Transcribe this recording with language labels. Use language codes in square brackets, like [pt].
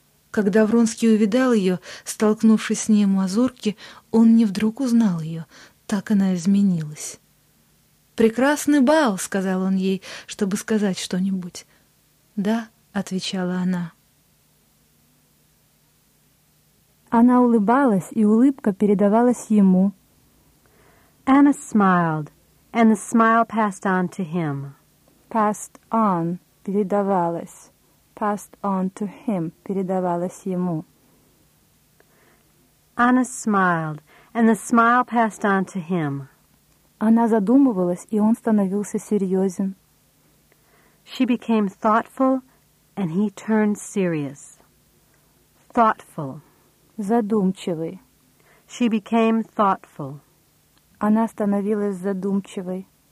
[ru] Когда Вронский увидал ее, столкнувшись с ней в мазурке, он не вдруг узнал ее, так она изменилась. «Прекрасный бал!» — сказал он ей, чтобы сказать что-нибудь. «Да», — отвечала она. Она улыбалась, и улыбка передавалась ему. [en] Anna smiled, and the smile passed on to him. Passed on — [ru] передавалась. [en] Passed on to him — [ru] передавалась ему. [en] Anna smiled, and the smile passed on to him. [ru] Она задумывалась, и он становился серьезен. [en] She became thoughtful, and he turned serious. Thoughtful. [ru] Задумчивый. [en] She became thoughtful. [ru] Она становилась задумчивой.